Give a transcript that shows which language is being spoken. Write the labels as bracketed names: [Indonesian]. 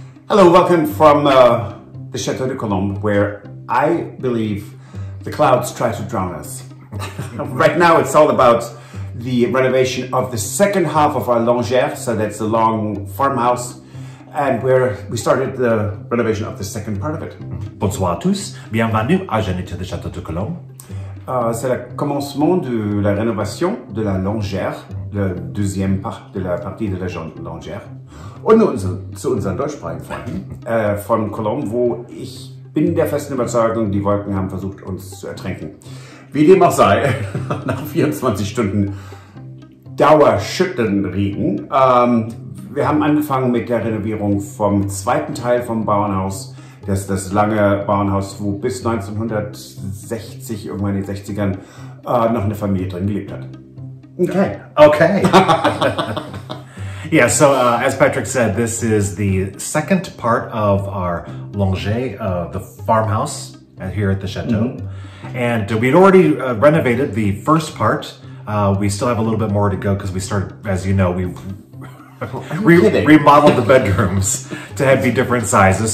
[English] Hello, welcome from the Chateau de Colombes, where I believe the clouds try to drown us. Right now, it's all about the renovation of the second half of our longère, so that's a long farmhouse, and where we started the renovation of the second part of it. [French] Bonsoir à tous, bienvenue à Genève de Château de Colombes. C'est le commencement de la rénovation de la longère, la deuxième part de la partie de la longère. [German] Und nun zu unseren deutschsprachigen Freunden von Colombes, wo ich bin der festen Überzeugung, die Wolken haben versucht uns zu ertränken. Wie dem auch sei, nach 24 Stunden Dauerschüttenregen, wir haben angefangen mit der Renovierung vom zweiten Teil vom Bauernhaus. Das ist das lange Bauernhaus, wo bis 1960, irgendwann in den 60ern, noch eine Familie drin gelebt hat. [English] Okay. Okay. Yeah, so as Patrick said, this is the second part of our longère, the farmhouse here at the Chateau. Mm-hmm. And we'd already renovated the first part. We still have a little bit more to go because we started, as you know, we remodeled the bedrooms to have be different sizes.